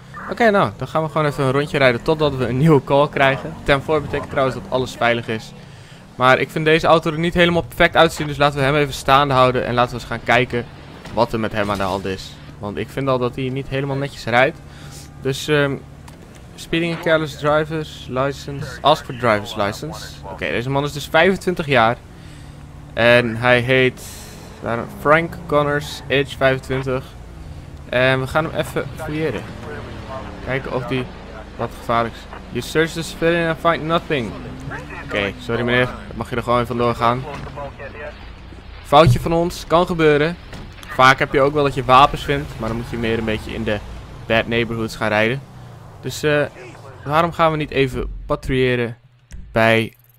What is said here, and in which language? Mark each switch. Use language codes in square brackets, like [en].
[nl] Oké, nou, dan gaan we gewoon even een rondje rijden totdat we een nieuwe call krijgen. 10-4 betekent trouwens dat alles veilig is. Maar ik vind deze auto er niet helemaal perfect uitzien, dus laten we hem even staande houden. En laten we eens gaan kijken wat er met hem aan de hand is. Want ik vind al dat hij niet helemaal netjes rijdt. [en] Dus, speeding and careless driver's license. Ask for driver's license. [nl] Oké, deze man is dus 25 jaar. En hij heet Frank Connors, [en] age 25. [nl] En we gaan hem even fouilleren. Kijken of die wat gevaarlijks. [en] You search the civilian and find nothing. [nl] Oké, sorry meneer. Mag je er gewoon even doorgaan. Foutje van ons. Kan gebeuren. Vaak heb je ook wel dat je wapens vindt. Maar dan moet je meer een beetje in de [en] bad neighborhoods [nl] gaan rijden. Dus waarom gaan we niet even patrouilleren bij...